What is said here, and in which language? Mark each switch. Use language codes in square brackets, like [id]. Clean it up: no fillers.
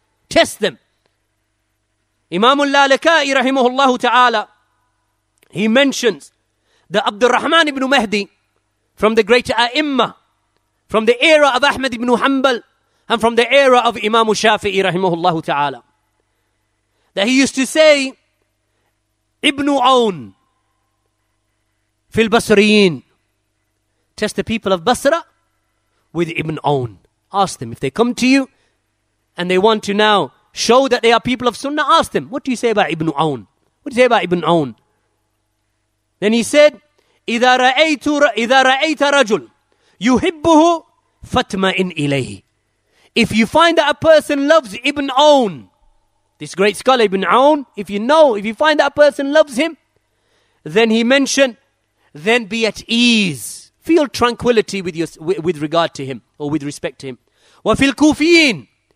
[en] Test them. Imam al-Lalaka'i rahimahullah ta'ala, he mentions that Abdul Rahman ibn Mahdi, from the great A'imma, from the era of Ahmad ibn Hanbal, and from the era of Imam Shafi'i rahimahullah ta'ala, that he used to say, Ibn Aun [ar] fil Basriyin. [en] Test the people of Basra with Ibn Aun. Ask them if they come to you and they want to now show that they are people of Sunnah, ask them, what do you say about Ibn Aun? What do you say about Ibn Aun? [ar] Then he said, إذا رأيت رجل يحبه فاطمئن إليه. [en] If you find that a person loves Ibn Aun, this great scholar Ibn Aun, if you find that a person loves him, then he mentioned, then be at ease. Feel tranquility with regard to him or with respect to him. [ar] وفي الكوفيين.